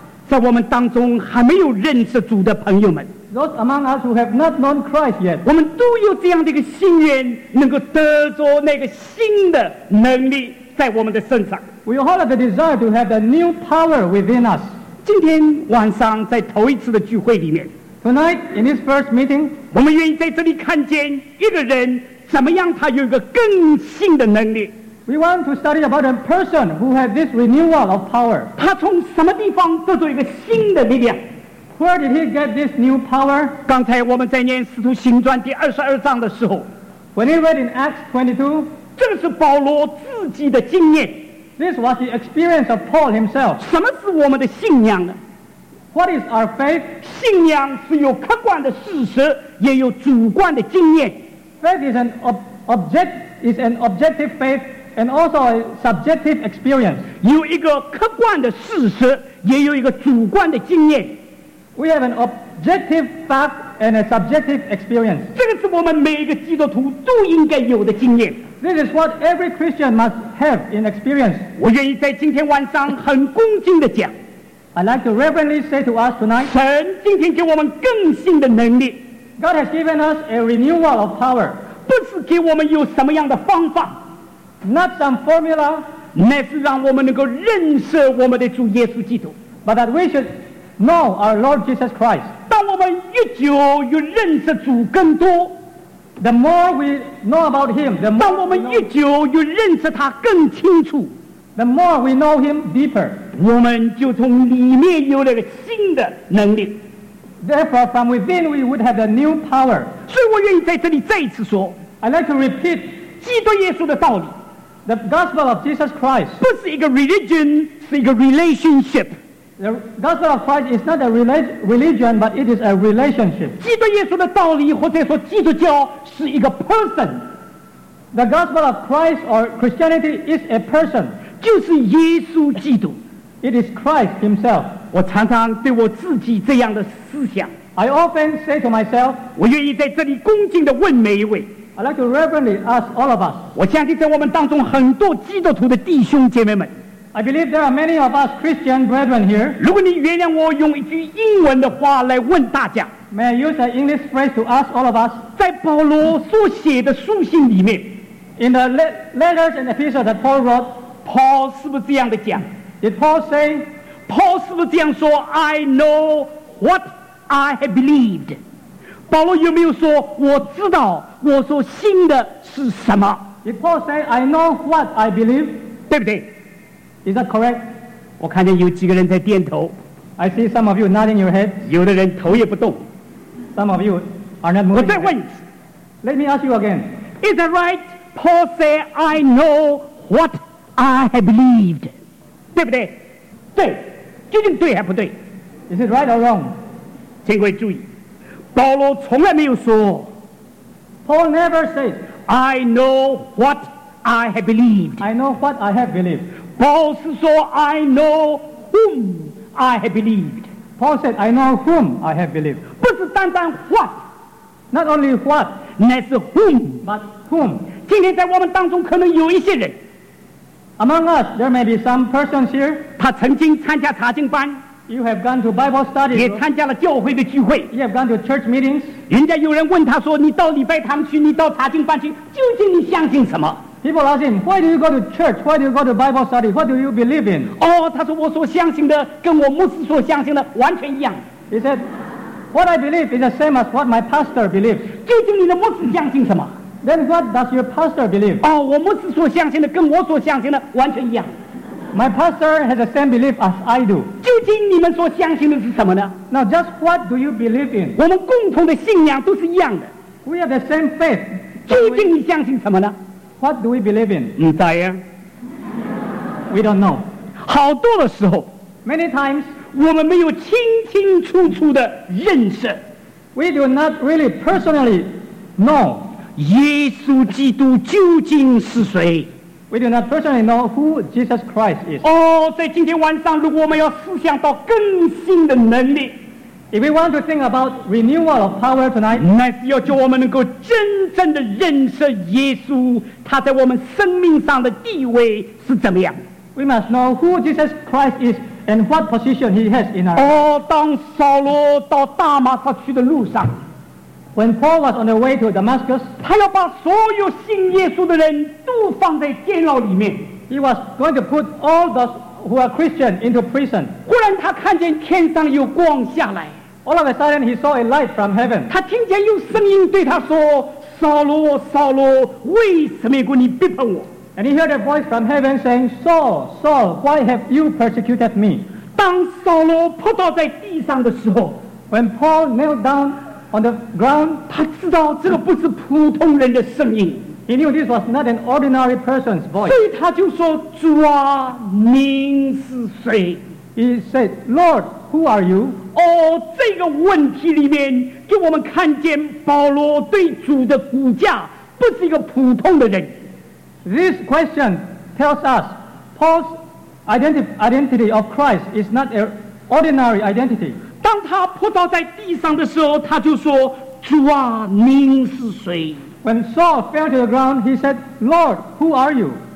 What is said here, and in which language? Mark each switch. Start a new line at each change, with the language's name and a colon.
Chinese: 在我们当中还没有认识主的朋友们
English: those among us who have not known Christ yet,
Chinese: 我们都有这样的一个心愿，能够得着那个新的能力在我们的身上。
English: We all have the desire to have the new power within us.
Chinese: 今天晚上在头一次的聚会里面
English: Tonight, in this first meeting,
Chinese: 我们愿意在这里看见一个人怎么样他有一个更新的能力。
English: We want to study about a person who had this renewal of power.
Chinese: 他从什么地方得到一个新的力量？
English: Where did he get this new power?
Chinese: 刚才我们在念《使徒行传》第二十二章的时候
English: ，When he read in Acts 22,
Chinese: 这个是保罗自己的经验。
English: This was the experience of Paul himself.
Chinese: 什么是我们的信仰呢
English: ？What is our faith?
Chinese: 信仰是有客观的事实，也有主观的经验。
English: Faith is an objective faith and also a subjective experience.
Chinese: 有一个客观的事实，也有一个主观的经验。
English: We have an objective fact and a subjective experience.
Chinese: 这个是我们每一个基督徒都应该有的经验。
English: This is what every Christian must have in experience.
Chinese: 我愿意在今天晚上很恭敬地讲。
English: I'd like to reverently say to us tonight.
Chinese: 神今天给我们更新的能力。
English: God has given us a renewal of power.
Chinese: 不是给我们有什么样的方法。
English: Not some formula.
Chinese: 乃是让我们能够认识我们的主耶稣基督。
English: But that we should know our Lord Jesus Christ.
Chinese: 当我们越久越认识主更多。
English: The more we know about him, the more
Chinese: 当我们越久越认识他更清楚。
English: The more we know him deeper.
Chinese: 我们就从里面有了个新的能力。
English: Therefore, from within, we would have a new power.
Chinese: 所以我愿意在这里再一次说
English: ，I'd like to repeat
Chinese: 基督耶稣的道理
English: ，the gospel of Jesus Christ
Chinese: 不是一个 religion， 是一个 relationship。
English: The gospel of Christ is not a religion, but it is a relationship.
Chinese: 基督耶稣的道理或者说基督教是一个 person。
English: The gospel of Christ or Christianity is a person，
Chinese: 就是耶稣基督。
English: It is Christ Himself.
Chinese: 我常常对我自己这样的思想
English: I often say to myself
Chinese: 我愿意在这里恭敬地问每一位
English: I'd like to reverently ask all of us
Chinese: 我相信在我们当中很多基督徒的弟兄姐妹们
English: I believe there are many of us Christian brethren here
Chinese: 如果你原谅我用一句英文的话来问大家
English: May I use an English phrase to ask all of us
Chinese: 在保罗所写的书信里面
English: In the letters and epistles that Paul wrote
Chinese: Paul 是不是这样的讲
English: Did Paul say? Paul
Chinese: 是不是这样说
English: I know what I have believed.
Chinese: 保罗有没有说我知道我所信的是什么
English: Did Paul say I know what I believe?
Chinese: 对不对
English: Is that correct?
Chinese: 我看见有几个人在点头
English: I see some of you nodding your head.
Chinese: 有的人头也不动
English: Some of you are not moving.
Chinese: 我再问
English: Let me ask you again. Is that right? Paul say I know what I have believed.
Chinese: 对不对？对，究竟对还不对
English: ？Is it right or wrong？
Chinese: 请各位注意，保罗从来没有说
English: ，Paul never said， I know what I have believed。 I know what I have believed。 Paul
Chinese: 是说
English: I know whom I have believed。 Paul said I know whom I have believed。
Chinese: 不是单单 what，
English: not only what，
Chinese: 乃是 whom，
English: but whom。
Chinese: 今天在我们当中可能有一些人。
English: Among us, there may be some persons here.
Chinese: 他曾经参加查经班。
English: You have gone to Bible study.
Chinese: 也参加了教会的聚会。
English: You have gone to church meetings.
Chinese: 人家有人问他说：“你到礼拜堂去，你到查经班去，究竟你相信什么？”
English: People ask him, "Why do you go to church? Why do you go to Bible study? What do you believe in?"
Chinese: 哦，他说我所相信的跟我牧师所相信的完全一样。
English: He said, "What I believe is the same as what my pastor believes."
Chinese: 究竟你的牧师相信什么？
English: Then what does your pastor believe?
Chinese: 哦，我牧师所相信的跟我所相信的完全一样。
English: My pastor has the same belief as I do.
Chinese: 究竟你们所相信的是什么呢？
English: Now just what do you believe in?
Chinese: 我们共同的信仰都是一样的。
English: We have the same faith.
Chinese: 究竟你相信什么呢？
English: What do we believe in?
Chinese: 不知道。
English: We don't know.
Chinese: 好多的时候
English: Many times,
Chinese: 我们没有清清楚楚的认识。
English: We do not really personally know.
Chinese: 耶稣基督究竟是谁
English: We do not personally know who Jesus Christ is.
Chinese: 哦，在今天晚上，如果我们要思想到更新的能力
English: If we want to think about renewal of power tonight,
Chinese: 那是要叫我们能够真正的认识耶稣，他在我们生命上的地位是怎么样
English: We must know who Jesus Christ is and what position he has in our life.
Chinese: 哦，当扫罗到大马士去的路上
English: When Paul was on the way to Damascus,
Chinese: 他要把所有信耶稣的人都放在监牢里面。
English: He was going to put all those who are Christian into prison.
Chinese: 忽然他看见天上有光下来。
English: All of a sudden, he saw a light from heaven.
Chinese: 他听见有声音对他说，扫罗，扫罗，为什么故你逼迫我？
English: And he heard a voice from heaven saying, Saul, Saul, why have you persecuted me?
Chinese: 当扫罗扑倒在地上的时候，
English: When Paul knelt down on the ground,
Chinese: 他知道这个不是普通人的声音。
English: He knew this was not an ordinary person's voice.
Chinese: 所以他就说，主啊，您是谁？
English: He said, Lord, who are you?
Chinese: 哦，这个问题里面给我们看见保罗对主的骨架不是一个普通的人。
English: This question tells us Paul's identity of Christ is not an ordinary identity.
Chinese: 当他扑倒在地上的时候，他就说，主啊，您是谁？
English: When Saul fell to the ground, he said, Lord, who are you?